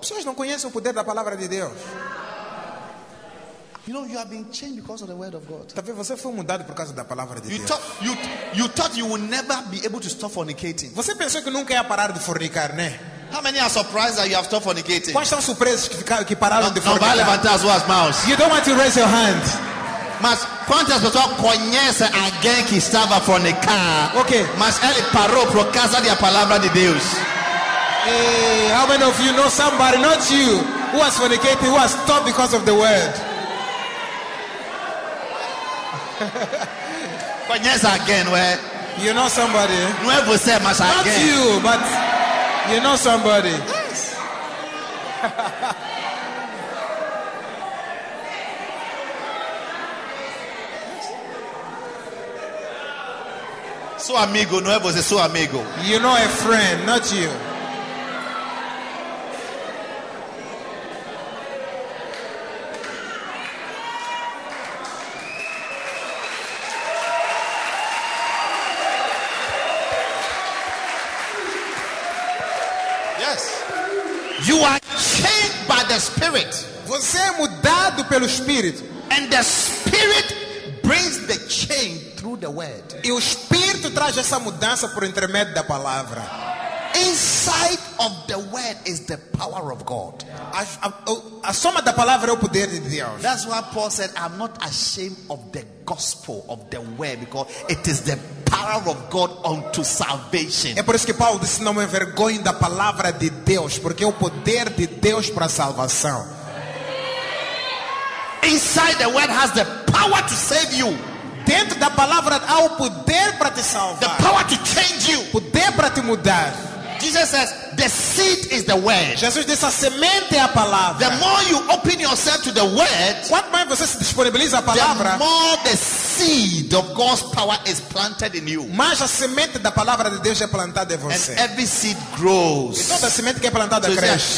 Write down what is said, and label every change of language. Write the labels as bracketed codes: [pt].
[pt] Pessoas não conhecem o poder da palavra de Deus. [en] You know, you have been changed because of the word of God. [pt] Talvez você foi mudado por causa da palavra de Deus. [en] You thought you would never be able to stop fornicating. [pt] Você pensou que nunca ia parar de fornicar, né? [en] How many are surprised that you have stopped fornicating? [pt] Quais são surpresas que pararam de fornicar? Não vai levantar as suas mãos. [en] You don't want to raise your hand. [pt] Mas quantas pessoas conhecem alguém que estava fornicando? [en] Okay. [pt] Mas ele parou por causa da palavra de Deus. [en] Hey, how many of you know somebody, not you, who has fornicated, who has stopped because of the word? [pt] Conhece alguém, ué? [en] You know somebody. [pt] Não é você, mas alguém. [en] Not you, but you know somebody. Yes. [pt] Sou amigo, não é você, sou amigo. [en] You know a friend, not you. You are changed by the Spirit. [pt] Você é mudado pelo Espírito. [en] And the Spirit brings the change through the word. [pt] E o Espírito traz essa mudança por intermédio da palavra. [en] Inside of the word is the power of God. [pt] A soma da palavra é o poder de Deus. [en] That's why Paul said, I'm not ashamed of the gospel of the word, because it is the power of God unto salvation. [pt] É por isso que Paulo disse, não me envergonho da palavra de Deus, porque é o poder de Deus para a salvação. [en] Inside the word has the power to save you. [pt] Dentro da palavra há o poder para te salvar. [en] The power to change you. [pt] Poder para te mudar. [en] Jesus says, the seed is the word. [pt] Jesus disse, a semente é a palavra. [en] The more you open yourself to the word, [pt] quanto mais você se disponibiliza à palavra, [en] the more the seed of God's power is planted in you. [pt] Mais a semente da palavra de Deus é plantada em você. [en] And every seed grows. [pt] E toda a semente que é plantada cresce.